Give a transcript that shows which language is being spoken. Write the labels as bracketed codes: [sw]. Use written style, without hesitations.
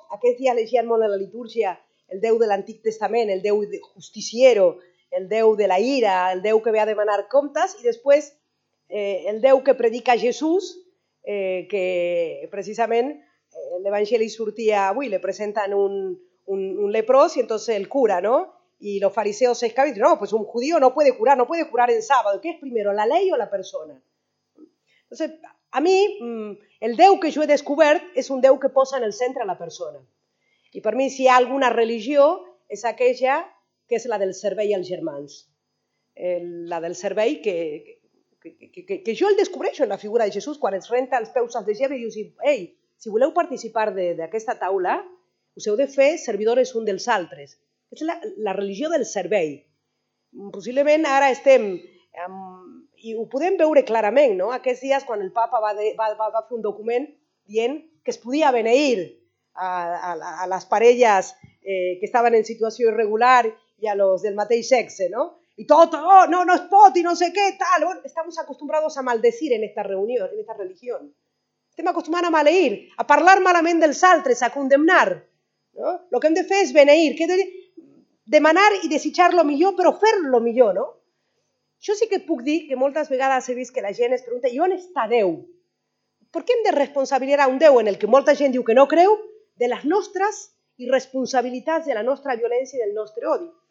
[ca] Aquest dia llegien molt a la litúrgia el Déu de l'Antic Testament, el Déu justiciero, el Déu de la ira, el Déu que ve a demanar comptes, i després el Déu que predica Jesús, que precisament l'Evangeli sortia avui, [es] le presenten [ca] un leprós i entonces el cura, no? [es] Y los fariseos se escaban y dicen, no, pues un judío no puede curar, no puede curar en sábado. ¿Qué es primero, la ley o la persona? Entonces, a mí, [ca] el Déu que yo he descubert es un Déu que posa en el centre la persona. Y per mi, si hi ha alguna religió, és aquella que és la del servei als germans. La del servei que jo el descobreixo en la figura de Jesús quan es renta els peus als deixeves i dius, ei, si voleu participar d'aquesta taula, us heu de fer servidores un dels altres. És la religió del servei. Possiblement ara estem, i ho podem veure clarament, no? Aquests dies quan el papa va fer un document dient que es podia beneir a les parelles que estaven en situació irregular i a los del mateix sexe, no? I tot, oh, no es pot i no sé què, tal. [es] Bueno, estamos acostumbrados a maldecir en esta reunió, en esta religió. [ca] Estem acostumats a maleir, a parlar malament dels altres, a condemnar, no? Lo que hem de fer és beneir, que de demanar i desitjar lo millor, però fer lo millor, no? Jo sí que puc dir que moltes vegades he vist que la gent es pregunta, i on està Déu? [es] ¿Por qué [ca] hem de responsabilitzar un Déu en el que molta gent diu que no creu de les nostres irresponsabilitats, de la nostra violència i del nostre odi?